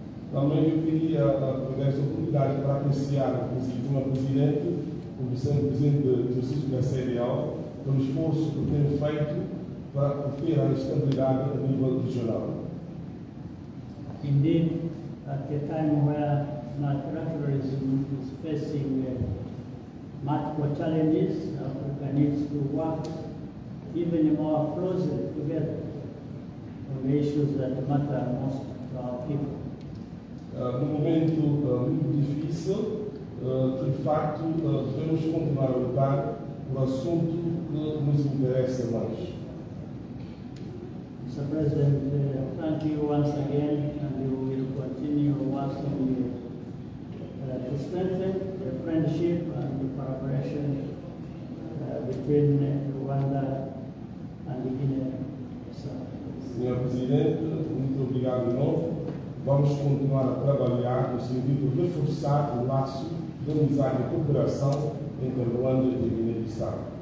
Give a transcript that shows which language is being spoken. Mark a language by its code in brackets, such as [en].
[pt] Também eu queria pegar essa oportunidade para apreciar o presidente, o vice-presidente do exercício da CDAO, pelo esforço que tem feito para obter a estabilidade a nível regional. [en] Indeed, at the time where multilateralism is facing multiple challenges, Africa needs to work even more closely together on the issues that matter most to our people. [pt] Num momento muito difícil, de facto, devemos continuar a lutar por assunto que nos interessa mais. [en] Mr. President, thank you once again, and we will continue working to strengthen the friendship and the cooperation between Rwanda and Guinea-Bissau. [pt] Sr. Presidente, muito obrigado de novo. Vamos continuar a trabalhar no sentido de reforçar o laço de amizade e cooperação entre Ruanda e Guiné-Bissau.